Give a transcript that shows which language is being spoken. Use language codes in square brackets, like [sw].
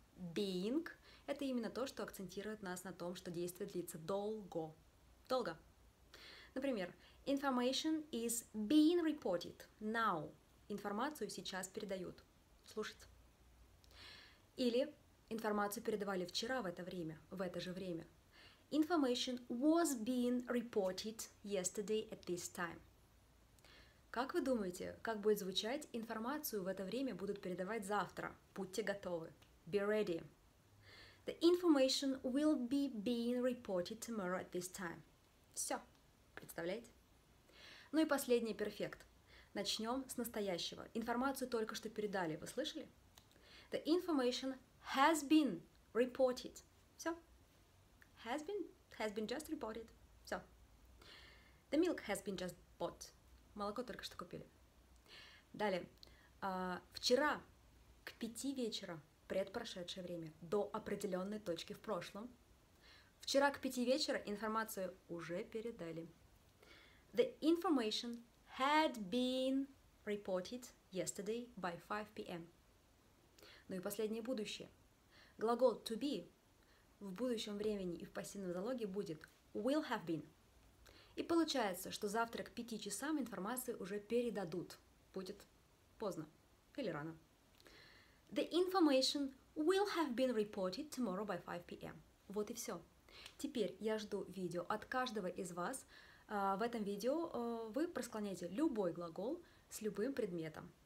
[ru] Being – это именно то, что акцентирует нас на том, что действие длится долго. Долго. Например, [en] information is being reported now. [ru] Информацию сейчас передают. Слушайте. Или информацию передавали вчера в это время, в это же время. [en] Information was being reported yesterday at this time. [ru] Как вы думаете, как будет звучать информацию в это время будут передавать завтра? Будьте готовы. [en] Be ready. The information will be being reported tomorrow at this time. [ru] Все. Представляете? Ну и последний перфект. Начнем с настоящего. Информацию только что передали. Вы слышали? [en] The information has been reported. [ru] Все. [en] Has been just reported. [ru] Все. [en] The milk has been just bought. [ru] Молоко только что купили. Далее. Вчера к 5 вечера, предпрошедшее время, до определенной точки в прошлом, вчера к 5 вечера информацию уже передали. [en] The information had been reported yesterday by 5 p.m. [ru] Ну и последнее будущее. Глагол to be в будущем времени и в пассивном залоге будет [en] will have been. [ru] И получается, что завтра к 5 часам информацию уже передадут. Будет поздно или рано. [en] The information will have been reported tomorrow by 5 p.m. [ru] Вот и все. Теперь я жду видео от каждого из вас. В этом видео вы просклоняете любой глагол с любым предметом.